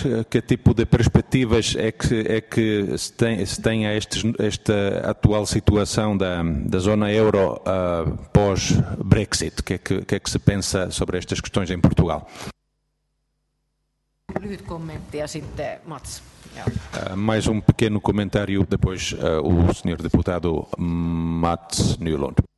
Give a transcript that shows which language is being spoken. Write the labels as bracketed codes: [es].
[pt] Que tipo de perspectivas é que se tem a esta atual situação da zona euro pós-Brexit? O que é que se pensa sobre estas questões em Portugal? [fi] Lyhyt kommentti ja sitten Mats. [pt] Mais um pequeno comentário depois o senhor deputado Mats Nylund.